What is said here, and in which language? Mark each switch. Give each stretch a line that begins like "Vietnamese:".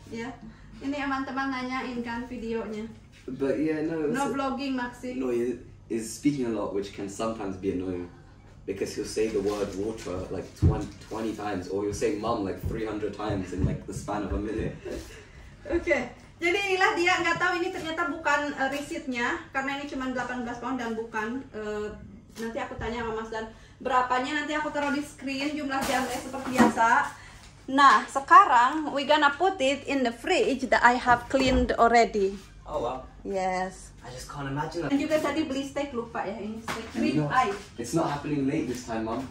Indonesian: Yeah. Ini teman-teman nanyain kan videonya.
English: But yeah, no. No vlogging, Maxi. Noye is speaking a lot, which can sometimes be annoying. Because he'll say the word water like 20 times, or he'll say mom like 300 times in like the span of a minute. Okay.
Indonesian: Jadi inilah dia, nggak tahu ini ternyata bukan receipt-nya karena ini cuma 18 pound dan bukan nanti aku tanya sama Mas Dan berapanya, nanti aku taruh di screen jumlah jamnya seperti biasa. Nah, sekarang
English: we gonna put it in the fridge that I have cleaned already. Oh wow. Yes. I just can't imagine that. And you guys
Indonesian: tadi beli steak lupa ya, ini steak rib eye.
English: It's not happening late this time, Mom.